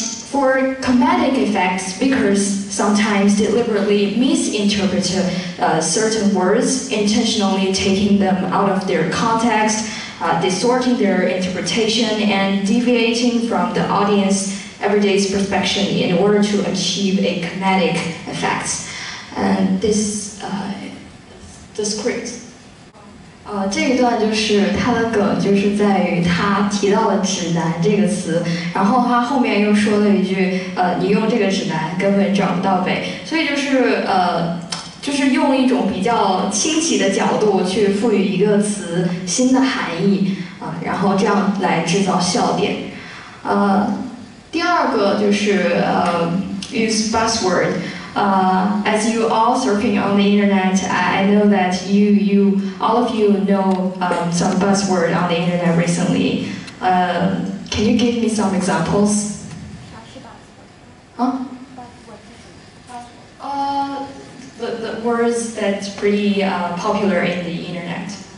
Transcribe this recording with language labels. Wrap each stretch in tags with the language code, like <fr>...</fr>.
<en>For comedic effects, speakers sometimes deliberately misinterpret certain words, intentionally taking them out of their context, distorting their interpretation, and deviating from the audience's everyday perception in order to achieve a comedic effect. And this the script.</en> <zh>这一段就是他的梗，就是在于他提到了指南这个词，然后他后面又说了一句你用这个指南根本找不到北，所以就是用一种比较清奇的角度去赋予一个词新的含义然后这样来制造笑点。第二个就是</zh> <en>use buzzword, As you all surfing on the internet, I know that all of you know some buzzword on the internet recently. Can you give me some examples? The words that's pretty popular in the internet.</en>